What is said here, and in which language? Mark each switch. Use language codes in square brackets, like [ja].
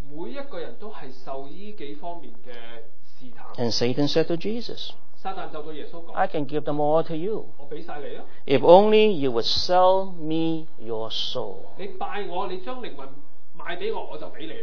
[yue] 每一个人都系受依几方面嘅试探。 [en] And Satan said to Jesus, [yue] 撒旦就对耶稣讲 [en] I can give them all to you. [yue] 我俾晒你啊。 [en] If only you would sell me your soul. [yue] 你拜我，你将灵魂卖俾我，我就俾你。